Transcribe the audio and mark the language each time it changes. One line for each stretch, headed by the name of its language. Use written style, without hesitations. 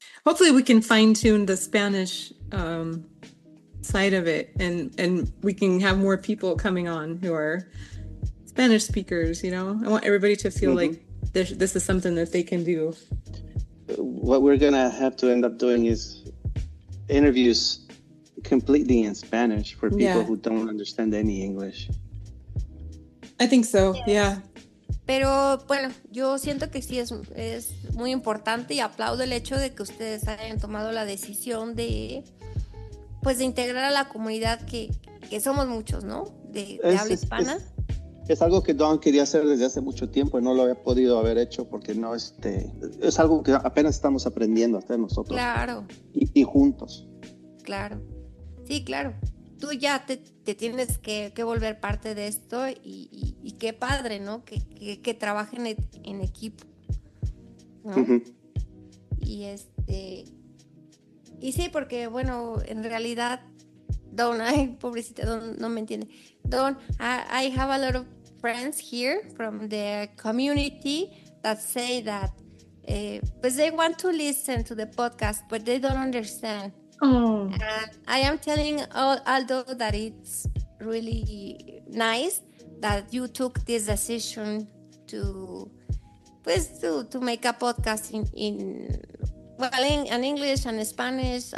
English: Hopefully we can fine tune the Spanish side of it and we can have more people coming on who are Spanish speakers, you know. I want everybody to feel mm-hmm. like this is something that they can do. What we're going to have to end up doing is interviews completely in Spanish for people yeah. who don't understand any English. I think so. Yes. Yeah.
Spanish: Pero bueno, yo siento que sí es muy importante y aplaudo el hecho de que ustedes hayan tomado la decisión de pues de integrar a la comunidad que somos muchos, ¿no? De habla hispana. Es algo que Don quería hacer desde hace mucho tiempo y no lo había podido haber hecho porque no es algo que apenas estamos aprendiendo hasta nosotros. Claro. Y juntos. Claro. Sí, claro. Tú ya te tienes que volver parte de esto y qué padre, ¿no? Que trabajen en equipo, ¿no? Uh-huh. Y y sí, porque, bueno, en realidad, Don, ay, pobrecita, Don, no me entiende.
English: Don, I have a lot of friends here from the community that say that pues they want to listen to the podcast, but they don't understand. Oh. I am telling Aldo that it's really nice that you took this decision to make a podcast in English and Spanish.